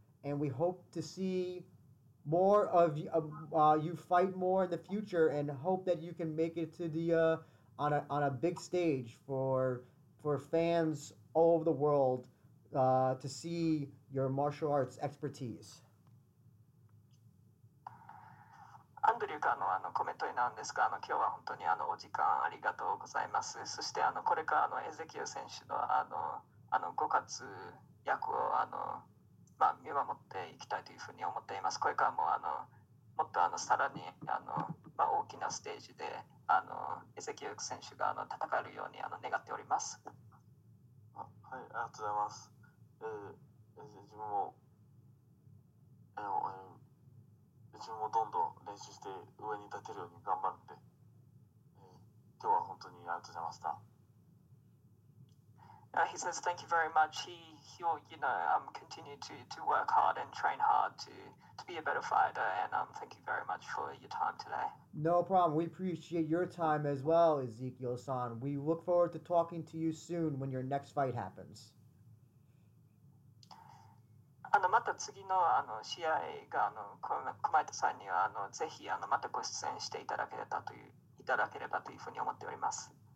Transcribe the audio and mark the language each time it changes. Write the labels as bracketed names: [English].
[English] And we hope to see more of you fight more in the future, and hope that you can make it to the on a big stage for fans all over the world to see your martial arts expertise. [Japanese] Andrew からの、 コメントなんですが、今日は本当にお時間ありがとうございます。そしてこれからエゼキエル選手のご活躍を見守っていきたいというふうに思っています。これからももっとさらに大きなステージでエゼキエル選手が戦えるように願っております。はい、ありがとうございます。自分も、自分もどんどん練習して上に立てるように頑張るので、今日は本当にありがとうございました。 [English] He says thank you very much. He will, you know, continue to work hard and train hard to be a better fighter. And thank you very much for your time today. No problem. We appreciate your time as well, Ezekiel-san. We look forward to talking to you soon when your next fight happens. [Japanese] また次の試合が熊田さんにはぜひまたご出演していただけたといういただければというふうに思っております。